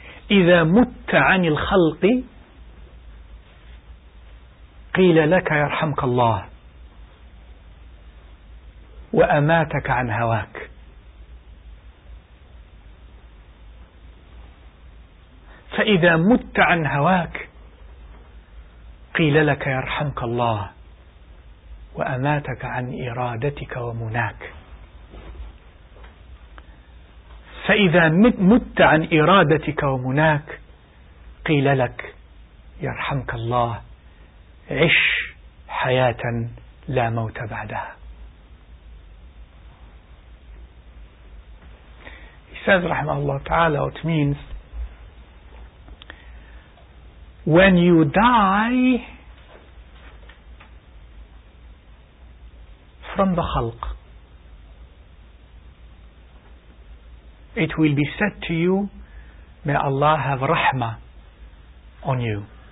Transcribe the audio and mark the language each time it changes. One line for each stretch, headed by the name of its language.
Arabic: إذا مت عن الخلق قيل لك يرحمك الله وأماتك عن هواك. فإذا مت عن هواك قيل لك يرحمك الله وأماتك عن إرادتك ومناك. فإذا مت عن إرادتك ومناك قيل لك يرحمك الله عش حياة لا موت بعدها.
English: He says
Arabic: رحمه الله تعالى,
English: it means when you die from the khalq, it will be said to you, may Allah have rahmah on you.